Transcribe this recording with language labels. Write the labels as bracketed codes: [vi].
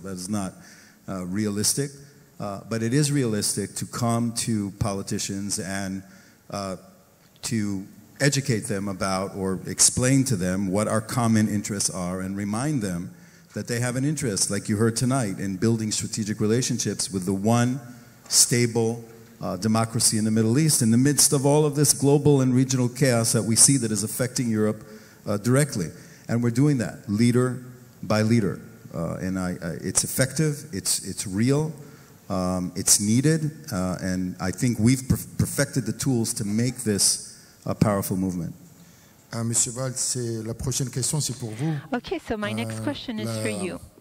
[en] That is not realistic. But it is realistic to come to politicians and to educate them about or explain to them what our common interests are and remind them that they have an interest, like you heard tonight, in building strategic relationships with the one stable democracy in the Middle East, in the midst of all of this global and regional chaos that we see that is affecting Europe directly. And we're doing that, leader by leader. It's effective, it's real, it's needed, and I think we've perfected the tools to make this a powerful movement. [fr] Monsieur Valls, c'est la prochaine question, c'est pour vous. [en] Okay, so my next question is for you.